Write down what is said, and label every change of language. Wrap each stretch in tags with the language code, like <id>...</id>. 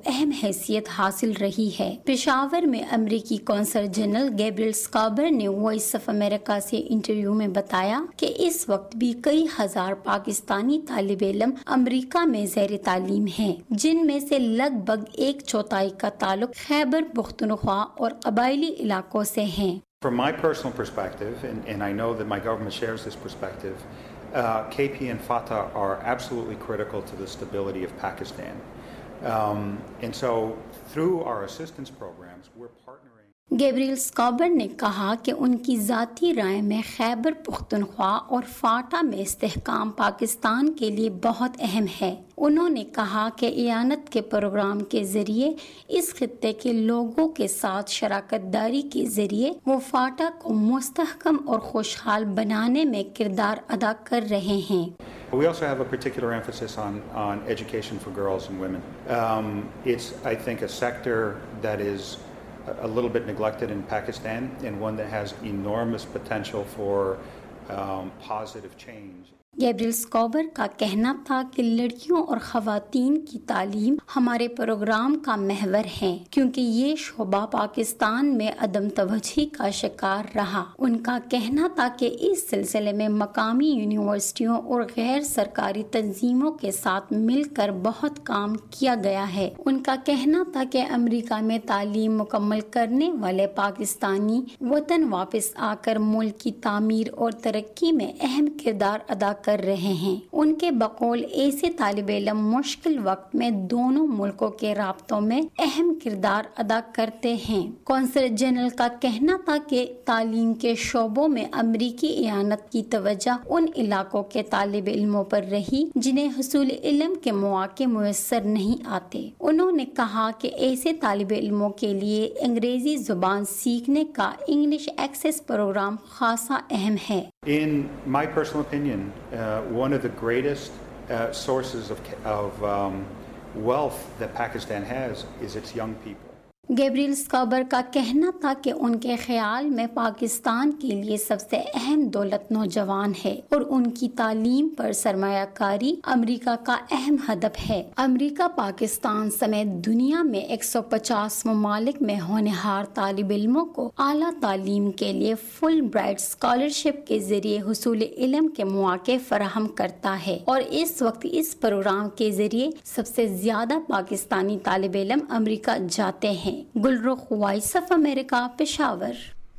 <ur>اہم حیثیت حاصل رہی ہے۔ پشاور میں امریکی قونصل جنرل گیبریل اسکوبر نے وائس آف امریکہ سے انٹرویو میں بتایا کہ اس وقت بھی کئی ہزار پاکستانی طالب علم امریکہ میں زیر تعلیم ہیں، جن میں سے لگ بھگ 1/4 کا تعلق خیبر پختونخوا اور قبائل علاقوں سے ہیں۔</ur> <en>From my personal perspective, and I know that my government shares this perspective, KP and FATA are absolutely critical to the stability of Pakistan. And so through our assistance programs, we're partnering...</en> <ur>Gabriel اسکوبر نے کہا کہ ان کی ذاتی رائے میں خیبر پختونخوا اور FATA میں استحکام پاکستان کے لیے بہت اہم ہے۔ انہوں نے کہا کہ اعانت کے پروگرام کے ذریعے اس خطے کے لوگوں کے ساتھ شراکت داری کے ذریعے وہ فاٹا کو مستحکم اور خوشحال بنانے میں کردار ادا کر رہے ہیں۔</ur> <en>We also have a particular emphasis on education for girls and women. It's I think a sector that is a little bit neglected in Pakistan and one that has enormous potential for positive change.</en> <ur>Gabriel اسکوبر کا کہنا تھا کہ لڑکیوں اور خواتین کی تعلیم ہمارے پروگرام کا محور ہے کیونکہ یہ شعبہ پاکستان میں عدم توجہی کا شکار رہا۔ ان کا کہنا تھا کہ اس سلسلے میں مقامی یونیورسٹیوں اور غیر سرکاری تنظیموں کے ساتھ مل کر بہت کام کیا گیا ہے۔ ان کا کہنا تھا کہ امریکہ میں تعلیم مکمل کرنے والے پاکستانی وطن واپس آ کر ملک کی تعمیر اور ترقی میں اہم کردار ادا کر رہے ہیں۔ ان کے بقول ایسے طالب علم مشکل وقت میں دونوں ملکوں کے رابطوں میں اہم کردار ادا کرتے ہیں۔ قونصل جنرل کا کہنا تھا کہ تعلیم کے شعبوں میں امریکی اعانت کی توجہ ان علاقوں کے طالب علموں پر رہی جنہیں حصول علم کے مواقع میسر نہیں آتے۔ انہوں نے کہا کہ ایسے طالب علموں کے لیے انگریزی زبان سیکھنے کا انگلش ایکسس پروگرام خاصا اہم ہے۔</ur> <en>In my personal opinion, one of the greatest sources of wealth that Pakistan has is its young people.</en> <ur>Gabriel اسکوبر کا کہنا تھا کہ ان کے خیال میں پاکستان کے لیے سب سے اہم دولت نوجوان ہے اور ان کی تعلیم پر سرمایہ کاری امریکہ کا اہم ہدف ہے۔ امریکہ پاکستان سمیت دنیا میں 150 ممالک میں ہونہار طالب علموں کو اعلیٰ تعلیم کے لیے فل برائٹ اسکالرشپ کے ذریعے حصول علم کے مواقع فراہم کرتا ہے اور اس وقت اس پروگرام کے ذریعے سب سے زیادہ پاکستانی طالب علم امریکہ جاتے ہیں۔ Gulrukh, voice of America, Peshawar.</ur>